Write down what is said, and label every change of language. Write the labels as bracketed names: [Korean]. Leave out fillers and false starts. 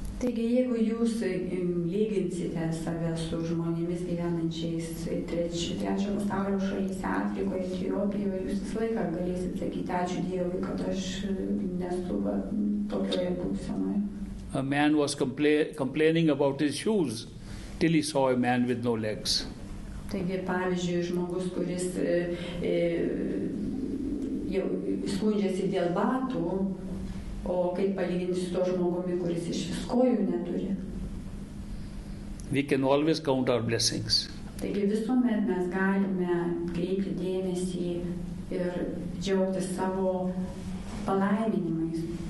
[Lithuanian] Taigi, jeigu jūs lyginsite save su žmonėmis gyvenančiais trečio pasaulio šalyse, Afrikoje, Etiopijoje, jūs visą laiką galėsite sakyti ačiū Dievui, kad aš nesu tokioje būsenoje. [English] A man was complaining about his shoes till he saw a man with no legs. [Lithuanian] Taigi, pavyzdžiui, žmogus, kuris jau skundžiasi dėl batų, o kaip palyginti su to žmogumi, kuris iš viskojų neturi. [English] We can always count our blessings. [Lithuanian] Taigi visuomet mes galime kreipti dėmesį ir džiaugti savo palaiminimais.